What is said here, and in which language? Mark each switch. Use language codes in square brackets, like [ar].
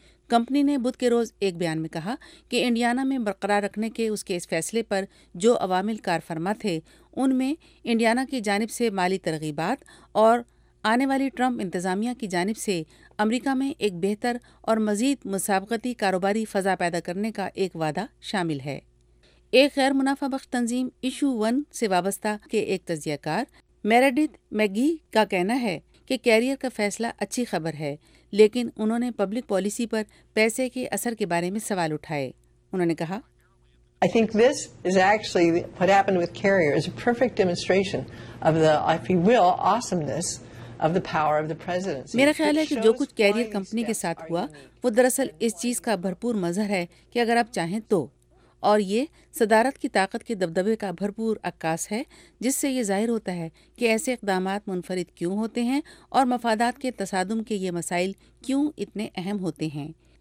[ur] Company نے بدھ کے روز ایک بیان میں کہا کہ انڈیانا میں برقرار رکھنے کے اس کے اس فیصلے پر جو عوامل کار فرما تھے ان میں انڈیانا کی جانب سے مالی ترغیبات اور آنے والی ٹرمپ انتظامیہ کی جانب سے امریکہ میں ایک بہتر اور مزید مسابقتی کاروباری فضا پیدا کرنے کا ایک وعدہ شامل ہے. ایک غیر منافع بخش تنظیم ایشو ون سے وابستہ کے ایک تجزیہ کار میریڈتھ میگی کا کہنا ہے کہ کیریئر کا فیصلہ اچھی خبر ہے لیکن انہوں نے پبلک پالیسی پر پیسے کے اثر کے بارے میں سوال اٹھائے. انہوں نے کہا [en] I think this is actually what happened with carrier is a perfect demonstration of the if you will awesomeness of the power of the presidency. [ur] میرا خیال ہے کہ جو کچھ کیریئر کمپنی کے ساتھ ہوا وہ دراصل اس چیز کا بھرپور مظہر ہے کہ اگر آپ چاہیں تو, اور یہ صدارت کی طاقت کے دبدبے کا بھرپور عکاس ہے جس سے یہ ظاہر ہوتا ہے کہ ایسے اقدامات منفرد کیوں ہوتے ہیں اور مفادات کے تصادم کے یہ مسائل کیوں اتنے اہم ہوتے ہیں.